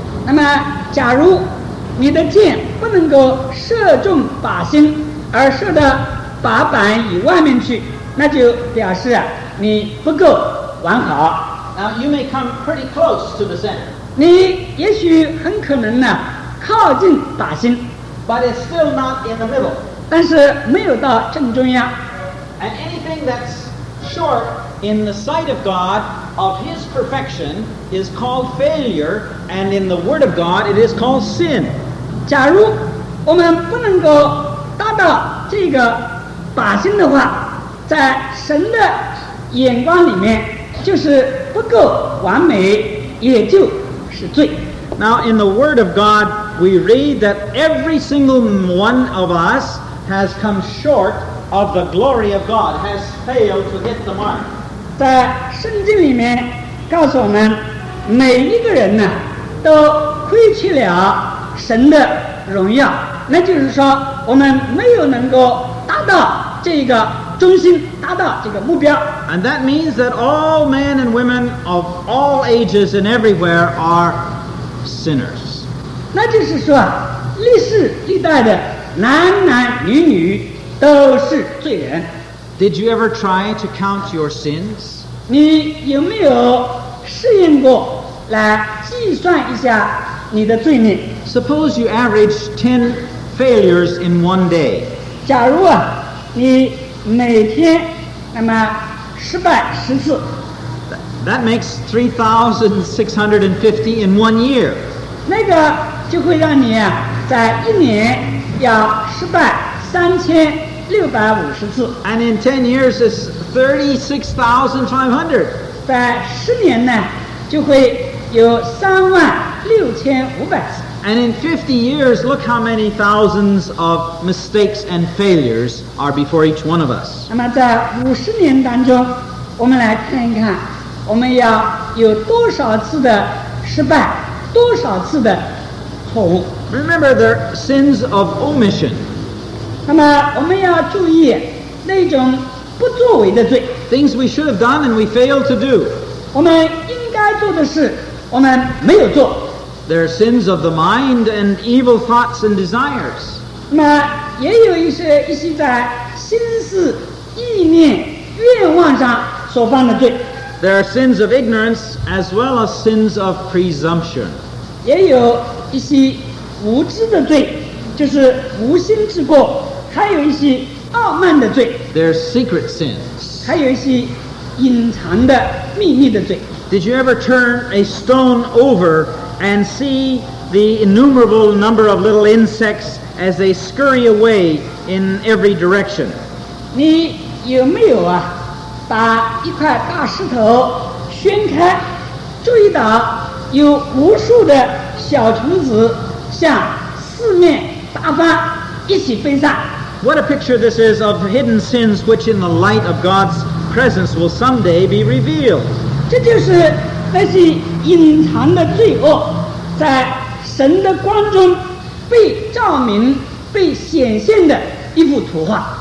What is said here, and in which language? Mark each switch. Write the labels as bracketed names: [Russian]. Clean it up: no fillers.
[Chinese] 那么，假如你的箭不能够射中靶心，而射到靶板以外面去，那就表示啊你不够完好。 [English] Now you may come pretty close to the center. [Chinese] 你也许很可能呢靠近靶心， [English] but it's still not in the middle. [Chinese] 但是没有到正中央。 [English] And anything that's short in the sight of God of His perfection is called failure, and in the Word of God it is called sin. [Chinese] 假如我们不能够达到这个靶心的话，在神的眼光里面就是不够完美，也就是罪。 [English] Now in the Word of God we read that every single one of us has come short of the glory of God, has failed to hit the mark. [Chinese] 在圣经里面告诉我们，每一个人呢都亏缺了神的荣耀，那就是说我们没有能够达到这个中心，达到这个目标。 [English] And that means that all men and women of all ages and everywhere are sinners. [Chinese] 那就是说，历世历代的男男女女都是罪人。 [English] Did you ever try to count your sins? [Chinese] 你有没有试验过来计算一下你的罪孽？ [English] Suppose you average 10 failures in one day. [Chinese] 假如啊，你每天那么失败十次。 [English] That makes 3,650 in one year. [Chinese] 那个就会让你啊，在一年要失败3,650次。 [English] And in 10 years is 36,500. [Chinese] 在十年呢，就会有36,500次。 [English] And in 50 years, look how many thousands of mistakes and failures are before each one of us. [Chinese] 那么在50年当中，我们来看一看，我们要有多少次的失败，多少次的错误。 [English] Remember the sins of omission. [Chinese] 那么我们要注意那种不作为的罪。 [English] Things we should have done and we failed to do. [Chinese] 我们应该做的事，我们没有做。 [English] There are sins of the mind and evil thoughts and desires. [Chinese] 那也有一些在心思、意念、愿望上所犯的罪。 [English] There are sins of ignorance as well as sins of presumption. [Chinese] 也有一些无知的罪，就是无心之过，还有一些傲慢的罪。 [English] There are secret sins. [Chinese] 还有一些隐藏的秘密的罪。 [English] Did you ever turn a stone over and see the innumerable number of little insects as they scurry away in every direction. [Chinese] 你有没有把一块大石头掀开，注意到有无数的小虫子向四面八方一起飞散？ [English] What a picture this is of hidden sins which in the light of God's presence will someday be revealed. [Chinese] 这就是那些隐藏的罪恶在神的光中被照明被显现的一幅图画。